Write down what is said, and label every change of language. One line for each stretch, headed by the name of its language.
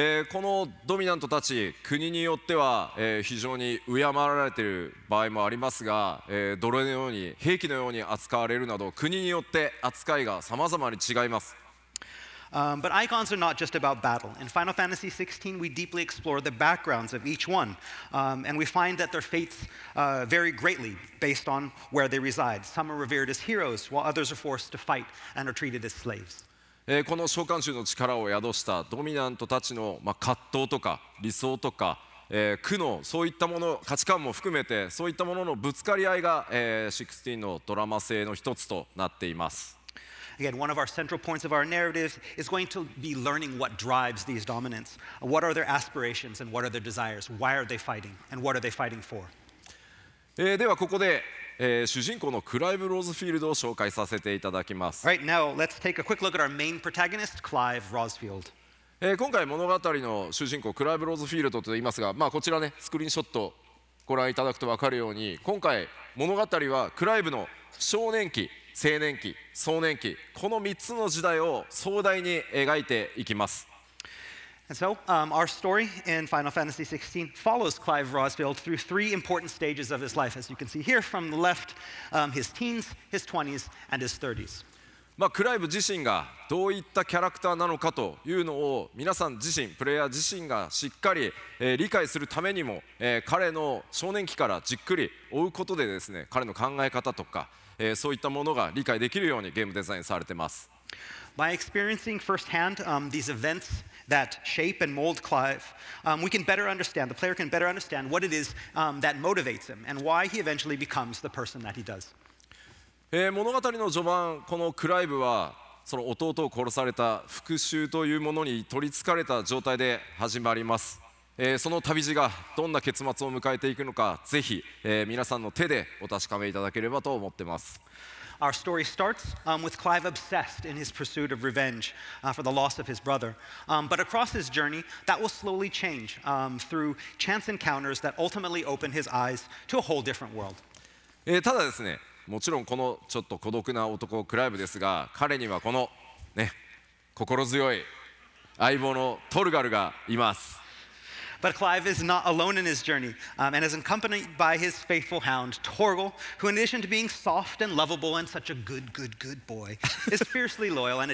Japanese: このドミナントたち、国によっては、非常に敬われている場合もありますが、奴隷のように、兵器のように扱われるなど、国によって扱いが様々に違います。
English: But icons are not just about battle. In Final Fantasy XVI, we deeply explore the backgrounds of each one, and we find that their fates vary greatly based on where they reside. Some are revered as heroes, while others are forced to fight and are treated as slaves.
Japanese: この召喚獣の力を宿したドミナントたちの、まあ、葛藤とか理想とか、苦悩そういったもの価値観も含めてそういったもののぶつかり合いが、16のドラマ性の一つとなっています。
English: Again, one of our central points of our narrative is going to be learning what drives these dominants. What are their aspirations and what are their desires? Why are they fighting and what are they fighting for?
Japanese: ではここで主人公のクライブ・ローズフィールドを紹介させていただきます。
English: Right, now let's take a quick look at our main protagonist, Clive Rosfield.
Japanese: 今回物語の主人公クライブ・ローズフィールドと言いますが、まあ、こちらね、スクリーンショットをご覧いただくと分かるように、今回物語はクライブの少年期、青年期、壮年期、この3つの時代を壮大に描いていきます。
English: And so, our story in Final Fantasy XVI follows Clive Rosfield through three important stages of his life, as you can see here from the left, his teens, his 20s, and his 30s.
Japanese: まあ、クライブ自身がどういったキャラクターなのかというのを皆さん自身、プレイヤー自身がしっかり、理解するためにも、彼の少年期からじっくり追うことでですね、彼の考え方とか、そういったものが理解できるようにゲームデザインされてます。
English: By experiencing firsthand, these events that shape and mold Clive, we can better understand, the player can better understand what it is, that motivates him and why he eventually becomes the person that he does.
Japanese: 物語の序盤、このクライブはその弟を殺された復讐というものに取り憑かれた状態で始まります。その旅路がどんな結末を迎えていくのか、ぜひ、皆さんの手でお確かめいただければと思ってます。
English: Our story starts with Clive obsessed in his pursuit of revenge for the loss of his brother. But across his journey, that will slowly change through chance encounters that ultimately open his eyes to a whole different world.
Japanese: ただですね、もちろんこのちょっと孤独な男クライブですが、彼にはこのね、心強い相棒のトルガルがいます。
English: But Clive is not alone in his journey, and is accompanied by his faithful hound, Torgal, who in addition to being soft and lovable and such a good, good, good boy, is fiercely loyal and a